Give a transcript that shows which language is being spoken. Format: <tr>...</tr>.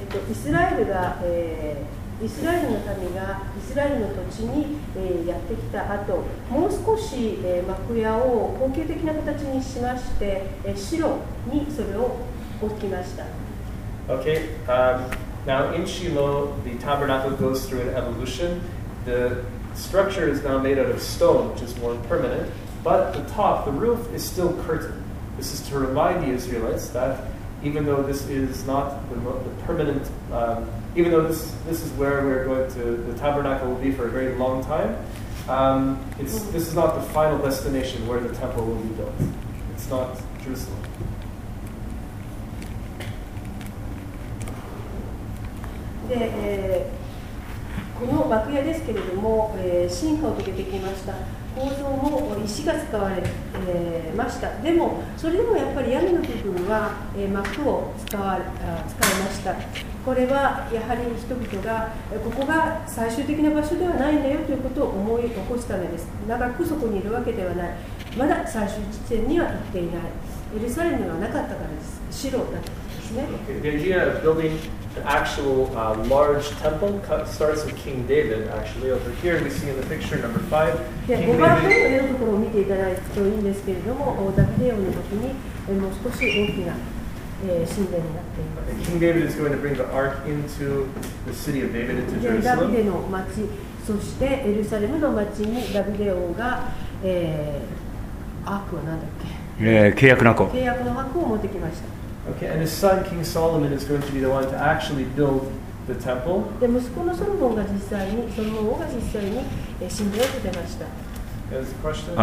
<ja>Israel が、イスラエルの民がイスラエルの土地に、やってきた後、もう少し、幕屋を恒久的な形にしまして、シロにそれを置きました。</ja> <en>Okay. Now in Shiloh, the tabernacle goes through an evolution. The structure is now made out of stone, which is more permanent, but the top, the roof, is still curtained. This is to remind the Israelites that even though this is not the permanent, even though this is where we're going to, the tabernacle will be for a very long time, this is not the final destination where the temple will be built. It's not Jerusalem.</en> <ja>で、この幕屋ですけれども、進化を遂げてきました。構造も石が使われ、ました。でもそれでもやっぱり屋根の部分は、幕を使いました。これはやはり人々がここが最終的な場所ではないんだよということを思い起こすためです。長くそこにいるわけではない、まだ最終地点には行っていない、エルサレムはなかったからです。シロだったんですね。</ja> <en>The idea of building the actual large temple starts with King David actually over here we see in the picture number 5</en> <ja>5番目のところを見ていただくといいんですけれども、ダビデ王の時にもう少し大きな神殿になっています。</ja> <en>King David is going to bring the ark into the city of David into Jerusalem.</en> <ja>ダビデの町、そしてエルサレムの町にダビデ王が、アークは何だっけ、契約の箱、契約の箱を持ってきました。</ja> <en>Okay, and his son King Solomon is going to be the one to actually build the temple.</en> <ja>で、息子のソロモンが実際に、ソロモン王が実際に神殿を建てました。</ja>